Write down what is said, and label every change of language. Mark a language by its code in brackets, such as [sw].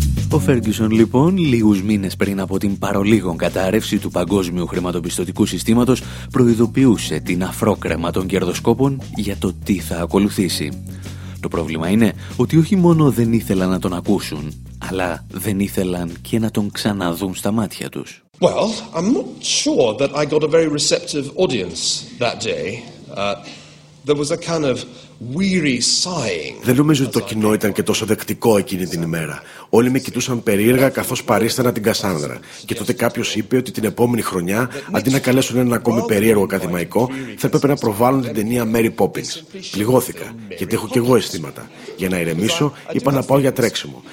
[el] Ο Φέργκισον λοιπόν, λίγους μήνες πριν από την παρολίγον κατάρρευση του παγκόσμιου χρηματοπιστωτικού συστήματος, προειδοποιούσε την αφρόκρεμα των κερδοσκόπων για το τι θα ακολουθήσει. Το πρόβλημα είναι ότι όχι μόνο δεν ήθελαν να τον ακούσουν, αλλά δεν ήθελαν και να τον ξαναδούν στα μάτια τους. [en] Well, I'm not sure that I got a very receptive audience that day. There was a kind of weary sighing. [el] Δεν νομίζω ότι το κοινό ήταν και τόσο δεκτικό εκείνη την ημέρα. Όλοι με κοιτούσαν περίεργα καθώς παρίστανα την Κασάνδρα. Και τότε κάποιος είπε ότι την επόμενη χρονιά, αντί να καλέσουν έναν ακόμη περίεργο ακαδημαϊκό, θα έπρεπε να προβάλλουν την ταινία Mary Poppins. Πληγώθηκα, γιατί έχω και εγώ αισθήματα. Για να ηρεμήσω, είπα να πάω για τρέξιμο.